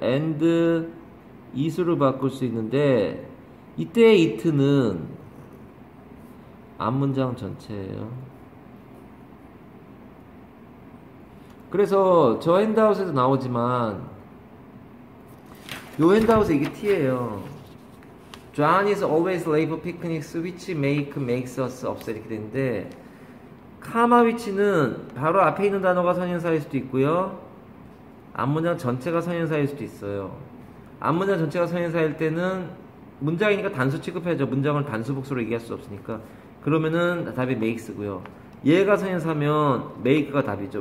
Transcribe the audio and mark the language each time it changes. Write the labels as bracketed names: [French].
[English] and it [Korean] 으로 바꿀 수 있는데 이때 it는 앞 문장 전체예요. 그래서 저 핸드아웃에도 나오지만 요 핸드아웃에 이게 T예요. [English] John is always late for picnics, which makes us upset. [Korean] 이렇게 되는데, 카마 위치는 바로 앞에 있는 단어가 선행사일 수도 있고요. 앞 문장 전체가 선행사일 수도 있어요. 앞 문장 전체가 선행사일 때는 문장이니까 단수 취급해야죠. 문장을 단수 복수로 얘기할 수 없으니까. 그러면은 답이 makes고요. 얘가 선행사면 make가 답이죠.